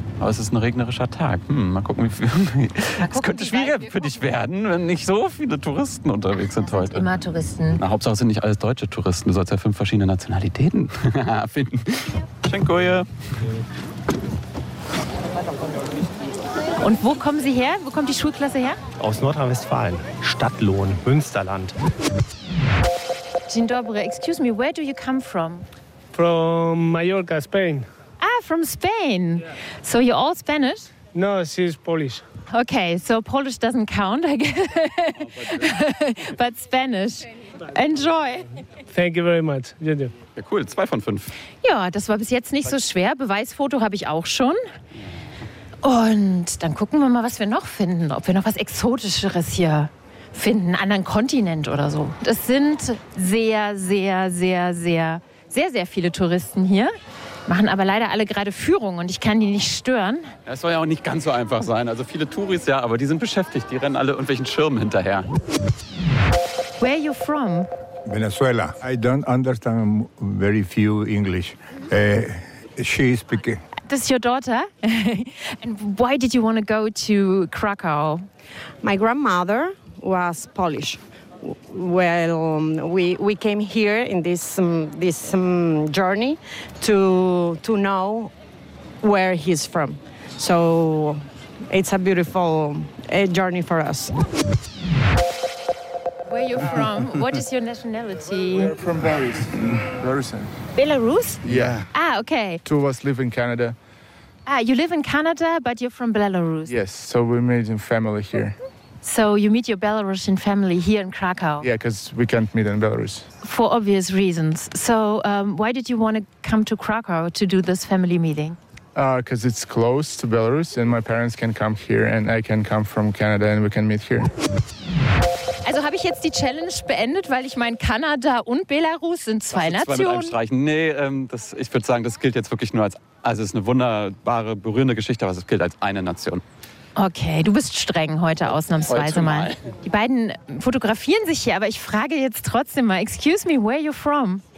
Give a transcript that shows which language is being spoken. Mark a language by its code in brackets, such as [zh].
[de] Aber es ist ein regnerischer Tag. Mal gucken, wie viel. Es könnte schwieriger für dich werden, wenn nicht so viele Touristen unterwegs sind heute. Immer Touristen. Na, Hauptsache sind nicht alles deutsche Touristen. Du sollst ja 5 verschiedene Nationalitäten finden. Schenkoje. Und wo kommen Sie her? Wo kommt die Schulklasse her? Aus Nordrhein-Westfalen, Stadtlohn, Münsterland. [pl] Dzień dobry, [en] excuse me, where do you come from? From Mallorca, Spain. Ah, from Spain. Yeah. So you're all Spanish? No, she's Polish. Okay, so Polish doesn't count, I guess. But Spanish. Enjoy. Thank you very much. [de] Ja, cool, 2 von 5. Ja, das war bis jetzt nicht so schwer. Beweisfoto habe ich auch schon. Und dann gucken wir mal, was wir noch finden, ob wir noch was Exotischeres hier finden, einen anderen Kontinent oder so. Es sind sehr, sehr, sehr, sehr, sehr, sehr viele Touristen hier, machen aber leider alle gerade Führung und ich kann die nicht stören. Das soll ja auch nicht ganz so einfach sein. Also viele Touris, ja, aber die sind beschäftigt, die rennen alle irgendwelchen Schirmen hinterher. [en] Where are you from? Venezuela. I don't understand very few English. She is speaking. This is your daughter. And why did you want to go to Krakow? My grandmother was Polish. Well, we came here in this journey to know where he's from. So it's a beautiful journey for us. Where are you from? What is your nationality? We're from Paris. Belarus. Belarus? Yeah. Ah, okay. Two of us live in Canada. Ah, you live in Canada, but you're from Belarus. Yes, so we're meeting family here. So you meet your Belarusian family here in Krakow? Yeah, because we can't meet in Belarus. For obvious reasons. So why did you want to come to Krakow to do this family meeting? Because it's close to Belarus and my parents can come here and I can come from Canada and we can meet here. [de] Also habe ich jetzt die Challenge beendet, weil ich meine, Kanada und Belarus sind zwei Nationen. Mit einem Streichen. Nee, das, ich würde sagen, das gilt jetzt wirklich nur als, also es ist eine wunderbare, berührende Geschichte, aber es gilt als eine Nation. Okay, du bist streng heute ausnahmsweise heute mal. Die beiden fotografieren sich hier, aber ich frage jetzt trotzdem mal, [en] excuse me, where are you from?